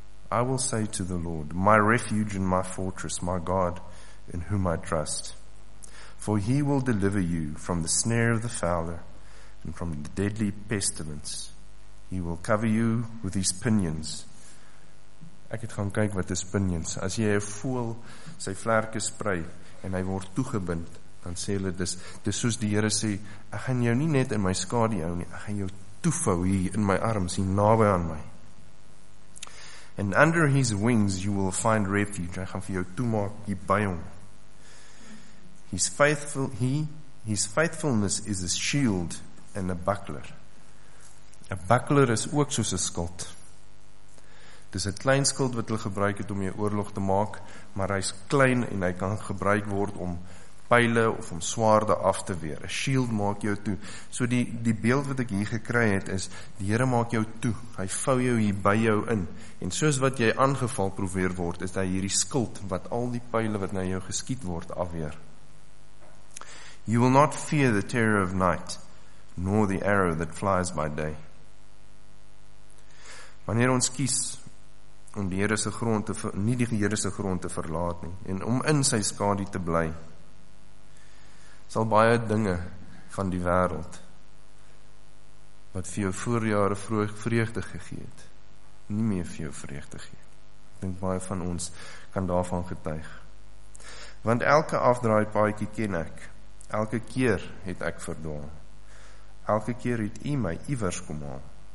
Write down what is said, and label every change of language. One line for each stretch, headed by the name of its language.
English: I will say to the Lord, my refuge and my fortress, my God, in whom I trust. For he will deliver you from the snare of the fowler and from the deadly pestilence. He will cover you with his pinions.
Afrikaans: Ek het gaan kyk wat is pinions. As jy 'n voël sy vlerke sprei en hy word toegebind, dan sê hulle dis soos die Here sê, ek gaan jou nie net in my skadu hou nie, ek gaan jou toevou hier in my arms, hier naby aan my.
English: And under his wings you will find refuge.
Afrikaans: Hy gaan vir jou toemaak hier by hom.
English: His faithfulness is a shield and a buckler.
Afrikaans: A buckler is ook soos 'n skild. Dis 'n klein skild wat hulle gebruik het om 'n oorlog te maak, maar hy's klein en hy kan gebruik word om pijle of om swaarde af te weer. A shield maak jou toe. So die beeld wat ek hier gekry het is, die Here maak jou toe, hy vou jou hier by jou in, en soos wat jy aangeval probeer word, is hy hierdie skild wat al die pijle wat na jou geskiet word afweer.
English: You will not fear the terror of night, nor the arrow that flies by day.
Afrikaans: Wanneer ons kies om die Here se grond te nie die Here se grond te verlaat nie, en om in sy skadu te bly, sal baie dinge van die wêreld wat vir jou voorjare vreugde gegee het, nie meer vir jou vreugde gee. Ek dink baie van ons kan daarvan getuig. Want elke afdraai paadjie ken ek. Elke keer het ek verdwaal. Elke keer het U my iewers kom haal.